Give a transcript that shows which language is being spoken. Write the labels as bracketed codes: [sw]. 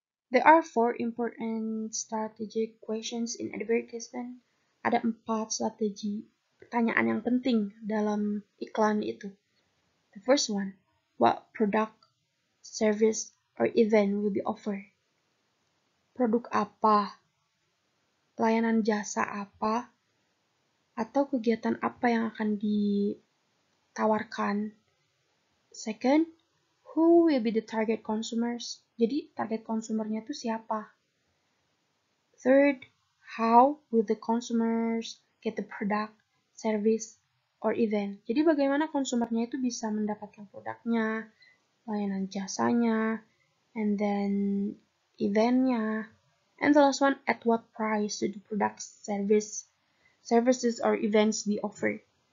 [en] There are four important strategic questions in advertisement. [id] Ada empat strategi pertanyaan yang penting dalam iklan itu. [en] The first one, what product, service, or event will be offered? [id] Produk apa, layanan jasa apa, atau kegiatan apa yang akan ditawarkan. [en] Second, who will be the target consumers? [id] Jadi, target consumernya itu siapa? [en] Third, how will the consumers get the product, service, or event? [id] Jadi, bagaimana konsumernya itu bisa mendapatkan produknya, layanan jasanya, [en] and then [id] eventnya. [en] And the last one, at what price do the products, services or events be offered?